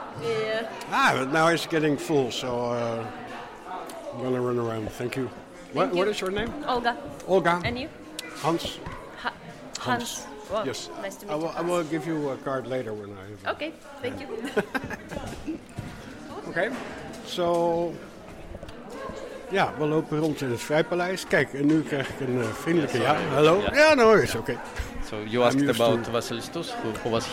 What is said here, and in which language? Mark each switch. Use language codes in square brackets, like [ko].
[en] Yeah. But now it's getting full, so I'm going to run around. Thank you. What is your name? Olga. And you? Hans. Well, yes. Nice to meet you. I will give you a card later when I have. Okay. Thank you. Okay. So, yeah, [nl] we lopen rond in het Vrijpaleis. Kijk, en nu krijg ik een vriendelijke hallo. [en] Yeah. Yeah, no, it's okay. So you asked about Vasily Stus, who was he?